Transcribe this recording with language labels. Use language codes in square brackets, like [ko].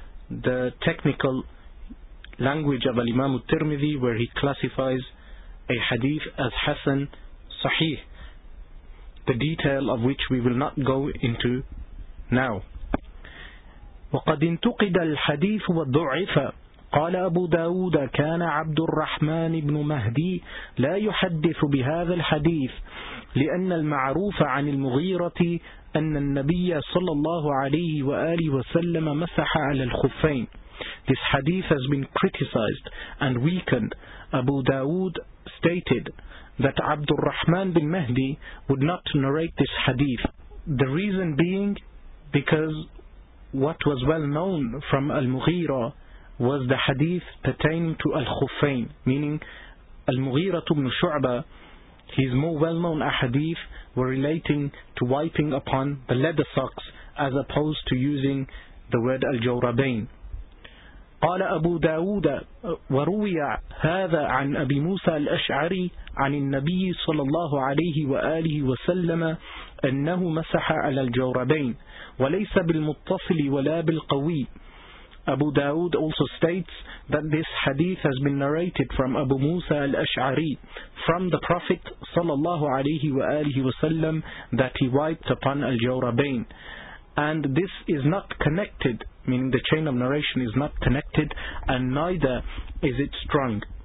[en] The technical language of Imam At-Tirmidhi, where he classifies a hadith as hasan sahih, the detail of which we will not go into now. [ar] وقد انتقد الحديث وضعف. قال أبو داود: كان عبد الرحمن بن مهدي لا يحدث بهذا الحديث، لأن المعروف عن المغيرة أن النبي صلى الله عليه وآله وسلم مسح على الخفين. [en] This hadith has been criticized and weakened. Abu Dawood stated that Abdul Rahman bin Mahdi would not narrate this hadith. The reason being because what was well known from Al-Mughira was the hadith pertaining to Al-Khufayn, meaning Al-Mughira ibn Shu'bah. His more well-known ahadith were relating to wiping upon the leather socks as opposed to using the word Al-Jawrabayn. [ar] قال أبو داود: وروي هذا عن أبي موسى الأشعري عن النبي صلى الله عليه وآله وسلم أنه مسح على الجوربين وليس بالمتصل ولا بالقوي. [en] Abu Dawood also states that this hadith has been narrated from Abu Musa al-Ash'ari from the Prophet [ar] صلى الله عليه وآله وسلم [en] that he wiped upon al-jawrabayn, and this is not connected, meaning the chain of narration is not connected, and neither is it strong.